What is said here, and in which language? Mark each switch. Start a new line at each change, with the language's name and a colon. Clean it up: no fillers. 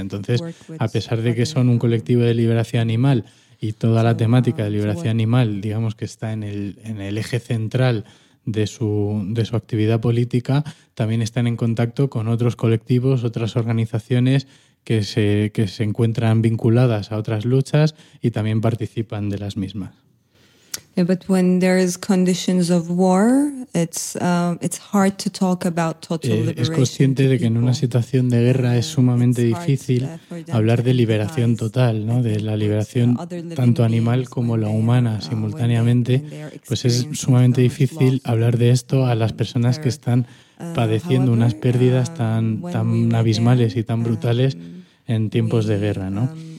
Spanish: Entonces, a pesar de que son un colectivo de liberación animal y toda la temática de liberación animal, digamos que está en el eje central de su actividad política, también están en contacto con otros colectivos, otras organizaciones que se encuentran vinculadas a otras luchas y también participan de las mismas.
English: Yeah, but when there is conditions of war, it's hard to talk about total liberation.
Spanish: Es consciente de que en una situación de guerra es sumamente difícil hablar de liberación total, ¿no? De la liberación tanto animal como la humana simultáneamente, pues es sumamente difícil hablar de esto a las personas que están padeciendo unas pérdidas tan abismales y tan brutales en tiempos de guerra, ¿no?